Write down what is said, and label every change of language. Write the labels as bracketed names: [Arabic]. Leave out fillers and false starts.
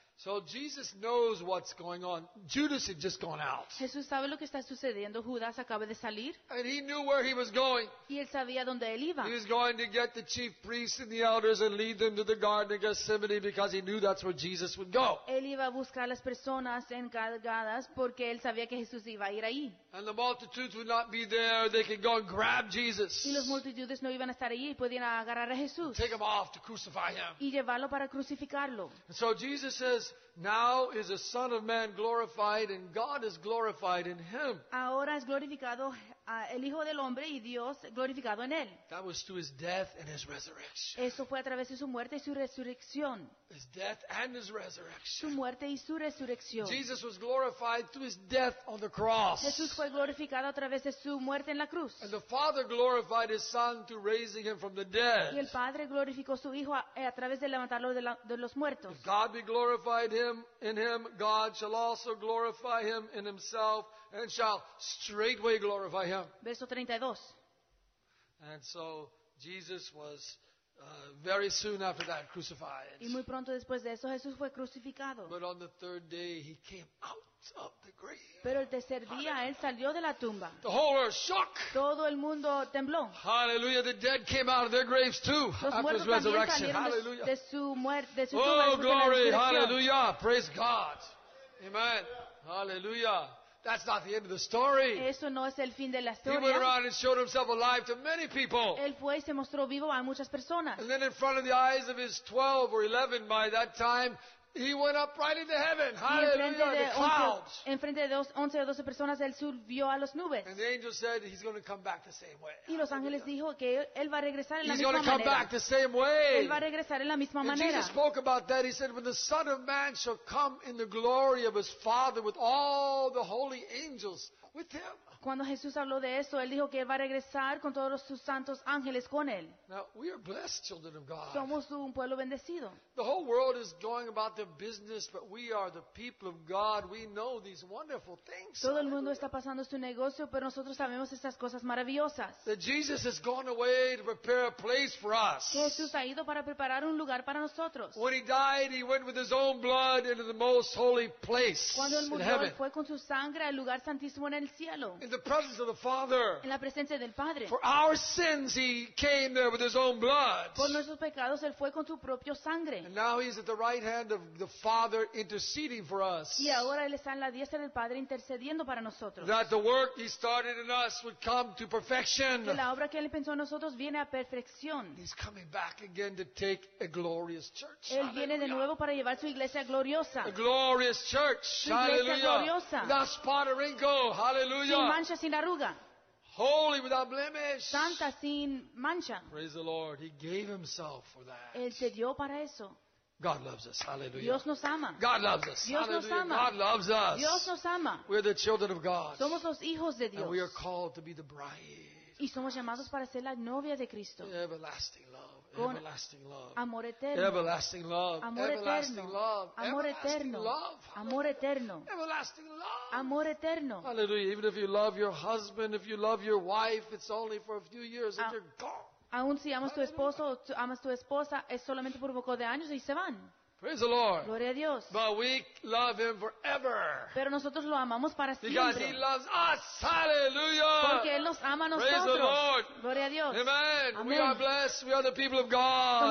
[English] So Jesus knows what's going on. Judas had just gone out. [Spanish] Jesús sabe lo que está sucediendo. Judas acaba de salir. [English] And he knew where he was going. [Spanish] Y él sabía dónde él iba. [English] He was going to get the chief priests and the elders and lead them to the Garden of Gethsemane because he knew that's where Jesus would go. [Spanish] Él iba a buscar las personas encargadas porque él sabía que Jesús iba a ir ahí. [English] And the multitudes would not be there. They could go and grab Jesus. [Spanish] Y los multitudes no iban a estar allí. Podían agarrar a Jesús. [English] Take him off to crucify him. [Spanish] Y llevarlo para crucificarlo. [English] And so Jesus says, Now is the Son of Man glorified, and God is glorified in Him. [Spanish] Ahora es glorificado el Hijo del Hombre y Dios glorificado en él. [English] That was through His death and His resurrection. [Spanish] Eso fue a través de su muerte y su resurrección. [English] His death and His resurrection. [Spanish] Su muerte y su resurrección. [English] Jesus was glorified through His death on the cross. [Spanish] Jesús fue glorificado a través de su muerte en la cruz. [English] And the Father glorified His Son through raising Him from the dead. [Spanish] Y el Padre glorificó su Hijo a través de levantarlo de los muertos. [English] If God be glorified in Him, God shall also glorify Him in Himself and shall straightway glorify Him. [Spanish] Verso 32. [English] And so Jesus was very soon after that, crucified. [Spanish] Y muy pronto después de eso, Jesús fue crucificado. [English] But on the third day, he came out of the grave. [Spanish] Pero el tercer día, Hallelujah. Él salió de la tumba. [English] The whole earth shook. [Spanish] Todo el mundo tembló. [English] Hallelujah, the dead came out of their graves too. [Spanish] Los [English] after his resurrection. Hallelujah. [Spanish] De su de su [English] oh, glory. Hallelujah. Praise God. Amen. Hallelujah. That's not the end of the story. [Spanish] Eso no es el fin de la historia. [English] He went around and showed himself alive to many people. [Spanish] Él fue y se mostró vivo a muchas personas. [English] And then in front of the eyes of his 12 or 11 by that time, he went up right into heaven. Hallelujah, the clouds. [Spanish] En frente de 11 o 12 personas, él subió a las nubes. [English] And the angel said he's going to come back the same way. [Spanish] Y los ángeles dijo que él va a regresar en la [English] he's [Spanish] misma manera. [English] He's going to come back the same way. [Spanish] Él va a regresar en la misma [English] and [Spanish] manera. [English] Jesus spoke about that. He said, when the Son of Man shall come in the glory of his Father with all the holy angels with him. [Spanish] Cuando Jesús habló de eso, él dijo que él va a regresar con todos sus santos ángeles con él. [English] Now, we are blessed children of God. [Spanish] Somos un pueblo bendecido. [English] The whole world is going about their business, but we are the people of God. We know these wonderful things. [Spanish] Todo el mundo está pasando su negocio, pero nosotros sabemos estas cosas maravillosas. [English] That Jesus has gone away to prepare a place for us. [Spanish] Jesús ha ido para preparar un lugar para nosotros. [English] When he died, he went with his own blood into the most holy place. [Spanish] Cuando él murió, [English] in heaven. [Spanish] Fue con su sangre al lugar santísimo en el cielo. [English] In the presence of the Father. [Spanish] En la presencia del Padre. [English] For our sins, he came there with his own blood. [Spanish] Por nuestros pecados, él fue con su propia sangre. [English] And now he is at the right hand of the Father interceding for us. [Spanish] Y ahora él está en la diestra del Padre intercediendo para nosotros. [English] That the work he started in us would come to perfection. [Spanish] Que la obra que él pensó en nosotros viene a perfección. [English] He's coming back again to take a glorious church. [Spanish] Él Hallelujah. Viene de nuevo para llevar su iglesia gloriosa. [English] A glorious church. Hallelujah. [Spanish] Gloriosa. [English] Without spot or wrinkle. Hallelujah. [Spanish] Sin mancha, sin arruga. [English] Holy without blemish. [Spanish] Santa sin mancha. [English] Praise the Lord. He gave himself for that. [Spanish] Él se dio para eso. [English] God loves us. Hallelujah. [Spanish] Dios nos ama. [English] God loves us. [Spanish] Dios nos ama. [English] God loves us. [Spanish] Dios nos ama. [English] We are the children of God. [Spanish] Somos los hijos de Dios. [English] And we are called to be the bride. [Spanish] Y somos llamados para ser la novia de Cristo. [English] Everlasting love. Con everlasting love. [Spanish] Amor eterno. [English] Everlasting love. [Spanish] Amor [English] everlasting [Spanish] eterno. [English] Love. [Spanish] Amor eterno. [English] Love. [Spanish] Amor eterno. [English] Everlasting love. [Spanish] Amor eterno. [English] Hallelujah. Even if you love your husband, if you love your wife, it's only for a few years and you're gone. [Spanish] Aun si amas tu esposo o amas tu esposa, es solamente por un poco de años y se van. [English] Praise the Lord. [Spanish] Gloria a Dios. [English] But we love him forever. [Spanish] Pero nosotros lo amamos para siempre. [English] Because he loves us. Hallelujah. [Spanish] Porque él nos ama a nosotros. [English] Praise the Lord. [Spanish] Gloria a Dios. [English] Amen. Amen. We are blessed. We are the people of God.